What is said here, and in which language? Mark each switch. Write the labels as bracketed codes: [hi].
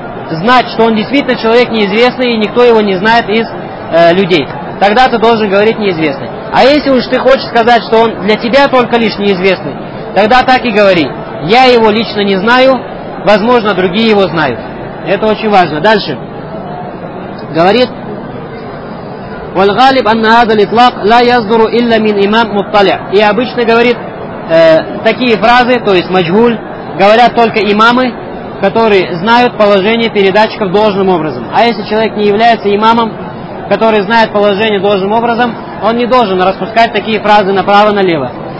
[ru] Знать, что он действительно человек неизвестный, и никто его не знает из людей. Тогда ты должен говорить «неизвестный». А если уж ты хочешь сказать, что он для тебя только лишь неизвестный, тогда так и говори «я его лично не знаю, возможно, другие его знают». Это очень важно. Дальше. [ar] Говорит: وَالْغَالِبْ أَنَّ هَذَا الْإِطْلَاقْ لَا يَصْدُرُ إِلَّا مِنْ إِمَامْ مُطَّلِعْ. [ru] И обычно говорит такие фразы, то есть маджхуль, говорят только имамы, которые знают положение передатчиков должным образом. А если человек не является имамом, который знает положение должным образом, он не должен распускать такие фразы направо-налево.